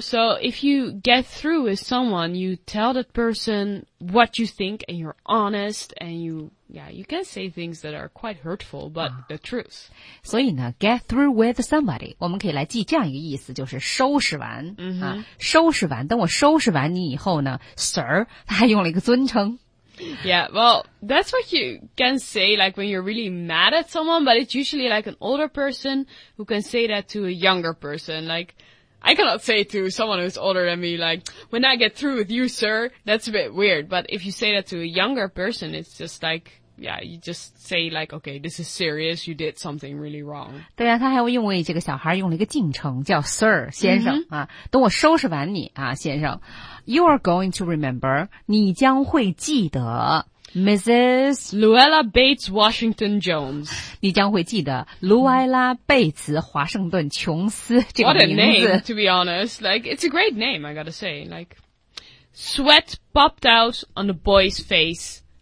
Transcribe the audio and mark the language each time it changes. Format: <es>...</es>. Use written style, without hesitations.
<en>So if you get through with someone, you tell that person what you think and you're honest and you can say things that are quite hurtful, but the truth.</en> <zh>所以呢</zh> <en>get through with somebody,</en> <zh>我们可以来记这样一个意思就是收拾完、 mm-hmm. 啊、收拾完等我收拾完你以后呢 sir, 他还用了一个尊称。</zh> <en>Yeah, well, that's what you can say like when you're really mad at someone, but it's usually like an older person who can say that to a younger person. Like, I cannot say to someone who's older than me, like, when I get through with you, sir, that's a bit weird. But if you say that to a younger person, it's just like... Yeah, you just say like, okay, this is serious, you did something really wrong.</en> <zh>对啊他还用为这个小孩用了一个敬称叫 Sir, 先生、mm-hmm. 啊等我收拾完你啊先生。</zh> <en>You are going to remember,</en> <zh>你将会记得</zh> <en>Mrs. Luella Bates Washington Jones.</en> <zh>你将会记得卢埃拉贝茨华盛顿琼斯这个名字。</zh> <en>What a name, to be honest. Like, it's a great name, I gotta say. Like, sweat popped out on the boy's face.</en>